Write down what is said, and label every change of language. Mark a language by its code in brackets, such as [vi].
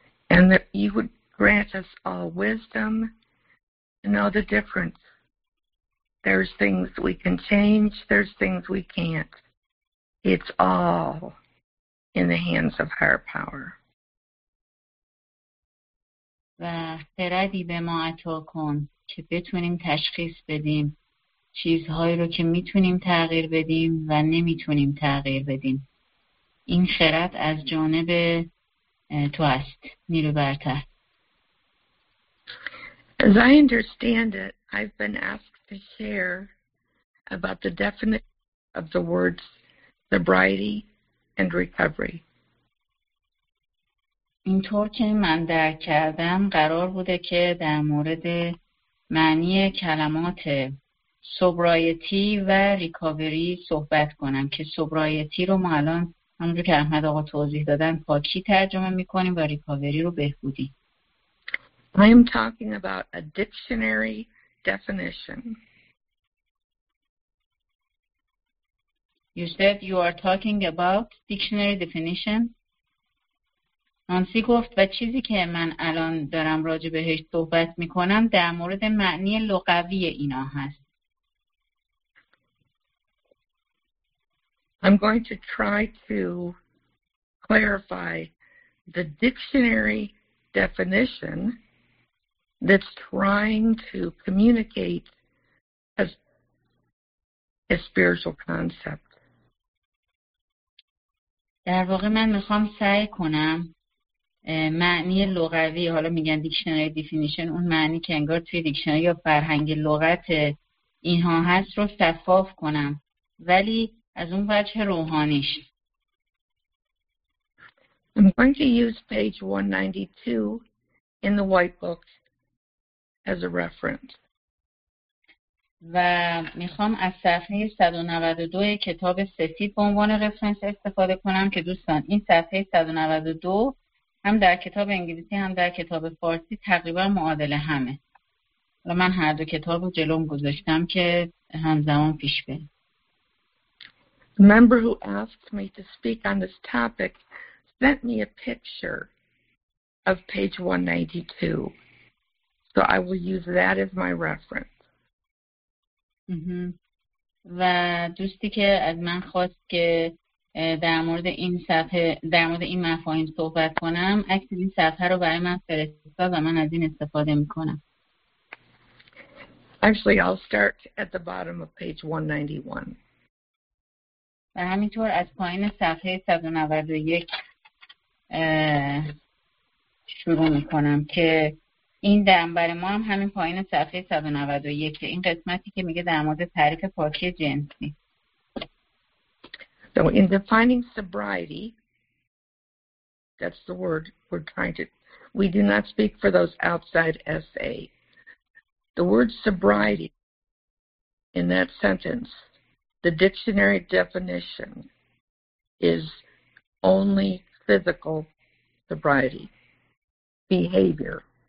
[en] And that you would grant us all wisdom to know the difference. There's things we can change, there's things we can't. It's all in the hands of higher power. [fa] و خردی به ما عطا کن که بتونیم تشخیص بدیم چیزهایی رو که میتونیم تغییر بدیم و نمیتونیم تغییر بدیم. این خرد از جانب تو است، نیرو برتر. [en] As I understand it, I've been asked to share about the definition of the words sobriety and recovery. [fa] اینطور که من درک کردم قرار بوده که در مورد معنی کلمات سوبرایتی و ریکاوری صحبت کنم که سوبرایتی رو ما الان همونجور که احمد آقا توضیح دادن پاکی ترجمه میکنیم و ریکاوری رو بهبودی. [en] I am talking about a dictionary definition. You said you are talking about dictionary definition. [fa] نانسی گفت و چیزی که من الان دارم راجع بهش صحبت میکنم در مورد معنی لغوی اینا هست. [en] I'm going to try to clarify the dictionary definition that's trying to communicate a spiritual concept. [fa] در واقع من میخوام سعی کنم معنی لغوی، حالا میگن دیکشنری دیفینیشن، اون معنی که انگار توی دیکشنری یا فرهنگ لغت اینها هست رو شفاف کنم، ولی از اون وجه روحانیش. [en] I'm going to use page 192 in the white book as a reference. [fa] و میخوام از صفحه 192 کتاب سفید به عنوان رفرنس استفاده کنم که دوستان این صفحه 192 هم در کتاب انگلیسی هم در کتاب فارسی تقریبا معادل همه. و من هر دو کتاب رو جلوم گذاشتم که همزمان پیش بریم. [en] The member who asked me to speak on this topic sent me a picture of page 192. So I will use that as my reference. [fa] و دوستی که از من خواست که در مورد این صفحه در مورد این مفاهیم صحبت کنم عکس این صفحه رو برای من فرستاد و من از این استفاده میکنم. [en] Actually I'll start at the bottom of page 191. [fa] و همینطور از پایین صفحه 191 شروع میکنم که این دنبر ما هم همین پایین صفحه 191 این قسمتی که میگه در مورد تعریف پاکی جنسی. [en] So in defining sobriety, that's the word we're trying to, we do not speak for those outside SA. The word sobriety in that sentence, the dictionary definition is only physical sobriety, behavior.